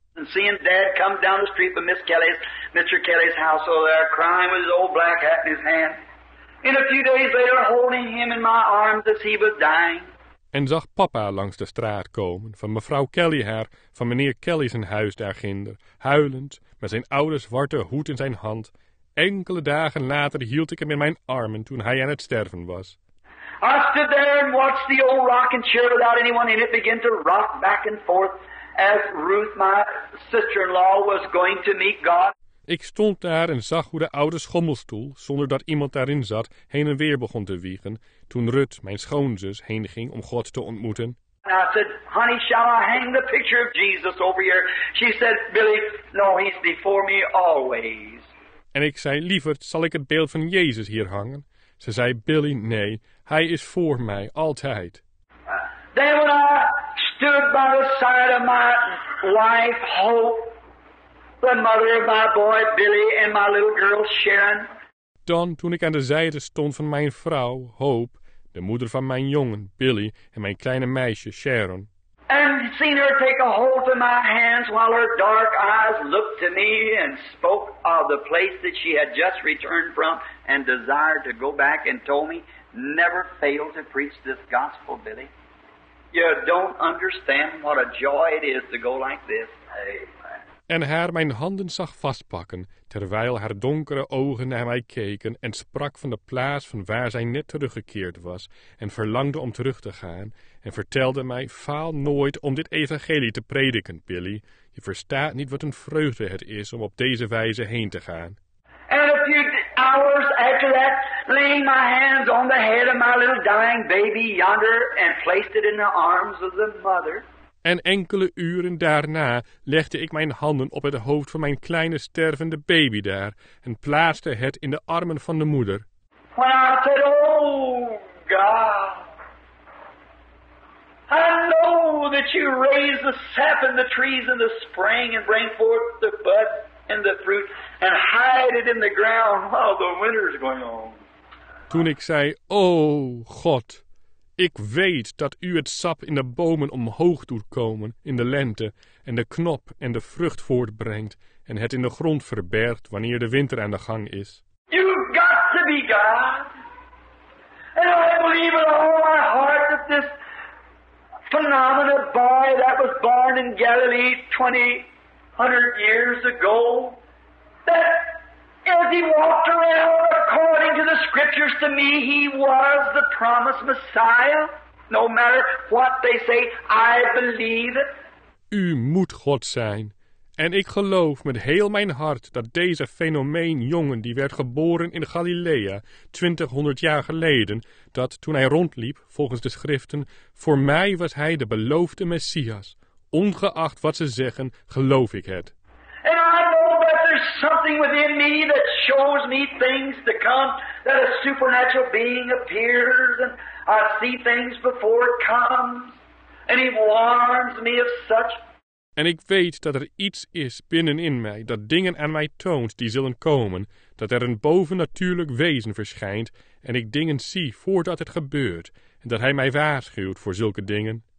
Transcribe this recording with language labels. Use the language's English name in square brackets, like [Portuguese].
[English] And seeing Dad come down the street from Miss Kelly's, Mr. Kelly's house over there, crying with his old black hat in his hand. In a few days later, holding him in my arms as he was dying. [Dutch] En zag papa langs de straat komen, van mevrouw Kelly haar, van meneer Kelly zijn huis daar ginder, huilend, met zijn oude zwarte hoed in zijn hand. Enkele dagen later hield ik hem in mijn armen toen hij aan het sterven was. [English] I stood there and watched the old rocking chair without anyone in it begin to rock back and forth. As Ruth, my sister-in-law, was going to meet God. [Dutch] Ik stond daar en zag hoe de oude schommelstoel, zonder dat iemand daarin zat, heen en weer begon te wiegen, toen Ruth, mijn schoonzus, heen ging om God te ontmoeten. [English] And I said, honey, shall I hang the picture of Jesus over here? She said, Billy, no, he's before me always. [Dutch] En ik zei, lieverd, zal ik het beeld van Jezus hier hangen? Ze zei, Billy, nee, hij is voor mij, altijd. [English] Then when I stood by the side of my wife, Hope, the mother of my boy Billy and my little girl Sharon. [Dutch] Dan, toen ik aan de zijde stond van mijn vrouw, Hope, de moeder van mijn jongen, Billy, en mijn kleine meisje, Sharon. [English] And seen her take a hold of my hands while her dark eyes looked to me and spoke of the place that she had just returned from and desired to go back and told me, never fail to preach this gospel, Billy. You don't understand what a joy it is to go like this. Amen. [Dutch] En haar mijn handen zag vastpakken, terwijl haar donkere ogen naar mij keken en sprak van de plaats van waar zij net teruggekeerd was en verlangde om terug te gaan en vertelde mij, faal nooit om dit evangelie te prediken, Billy. Je verstaat niet wat een vreugde het is om op deze wijze heen te gaan. [English] And a few hours after that, laying my hands on the head of my little dying baby yonder and placed it in the arms of the mother. [Dutch] En enkele uren daarna legde ik mijn handen op het hoofd van mijn kleine stervende baby daar en plaatste het in de armen van de moeder. [English] When I said, oh God, I know that you raise the sap in the trees in the spring and bring forth the bud and the fruit and hide it in the ground while the winter is going on. [Dutch] Toen ik zei, o God, ik weet dat u het sap in de bomen omhoog doet komen in de lente en de knop en de vrucht voortbrengt en het in de grond verbergt wanneer de winter aan de gang is. [English] You've got to be God. And I believe with all my heart that this phenomenal boy that was born in Galilee 2,000 years ago, that as he walked around according to the scriptures to me, he was the promised Messiah. No matter what they say, I believe it. [Dutch] U moet God zijn. En ik geloof met heel mijn hart dat deze fenomeen jongen die werd geboren in Galilea 2,000 jaar geleden, dat toen hij rondliep, volgens de schriften, voor mij was hij de beloofde Messias. Ongeacht wat ze zeggen, geloof ik het. [English] And I know that there's something within me that shows me things to come, that a supernatural being appears, and I see things before it comes, and he warns me of such. [Dutch] En ik weet dat er iets is binnenin mij dat dingen aan mij toont die zullen komen, dat er een bovennatuurlijk wezen verschijnt en ik dingen zie voordat het gebeurt en dat hij mij waarschuwt voor zulke dingen.